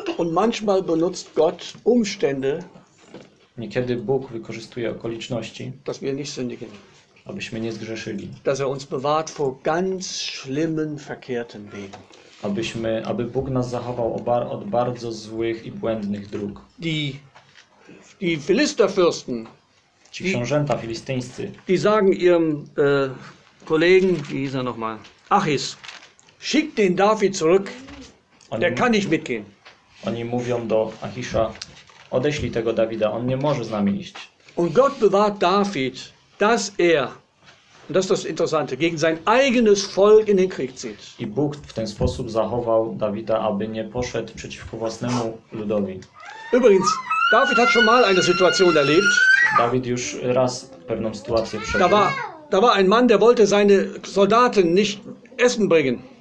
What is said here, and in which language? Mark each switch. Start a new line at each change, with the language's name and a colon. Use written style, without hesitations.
German: Und manchmal benutzt Gott Umstände.
Polish: Niekiedy Bóg wykorzystuje okoliczności,
German: dass wir nicht sündigen.
Polish: Abyśmy nie zgrzeszyli.
German: Dass er uns bewahrt vor ganz schlimmen, verkehrten Wegen.
Polish: Aby Bóg nas zachował od bardzo złych i błędnych dróg.
German: Die Philisterfürsten,
Polish: ci książęta filistyńscy,
German: die sagen ihrem Kollegen, wie hieß er nochmal, Achis, schick den David zurück, der kann nicht mitgehen.
Polish: Oni mówią do Achisza, odeślij tego Dawida, on nie może z nami iść.
German: Und Gott bewahrt David, dass er, und das ist das Interessante, gegen sein eigenes Volk in den Krieg zieht.
Polish: I Bóg w ten sposób zachował Dawida, aby nie poszedł przeciwko własnemu ludowi.
German: Übrigens, David hat schon mal eine Situation erlebt.
Polish: David już raz pewną sytuację przeżył.
German: Da war ein Mann, der wollte seine Soldaten nicht essen bringen.